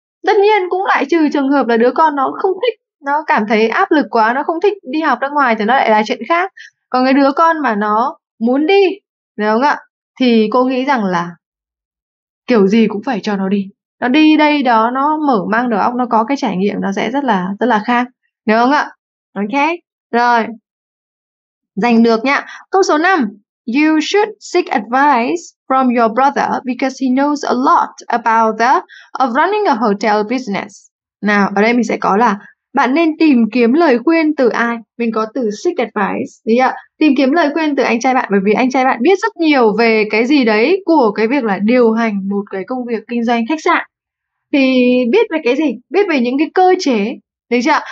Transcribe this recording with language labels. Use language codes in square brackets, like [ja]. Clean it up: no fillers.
[vi] Tất nhiên cũng lại trừ trường hợp là đứa con nó không thích, nó cảm thấy áp lực quá, nó không thích đi học nước ngoài thì nó lại là chuyện khác. Còn cái đứa con mà nó muốn đi, đúng không ạ? Thì cô nghĩ rằng là kiểu gì cũng phải cho nó đi. Nó đi đây đó, nó mở mang đầu óc, nó có cái trải nghiệm, nó sẽ rất là khác, đúng không ạ? Ok. Rồi. Giành được nhá. Câu số 5. [en] You should seek advice from your brother because he knows a lot about running a hotel business. [vi] Nào, ở đây mình sẽ có là bạn nên tìm kiếm lời khuyên từ ai? Mình có từ seek advice, đúng không? Tìm kiếm lời khuyên từ anh trai bạn, bởi vì anh trai bạn biết rất nhiều về cái gì đấy của cái việc là điều hành một cái công việc kinh doanh khách sạn. Thì biết về cái gì? Biết về những cái cơ chế, đấy chưa?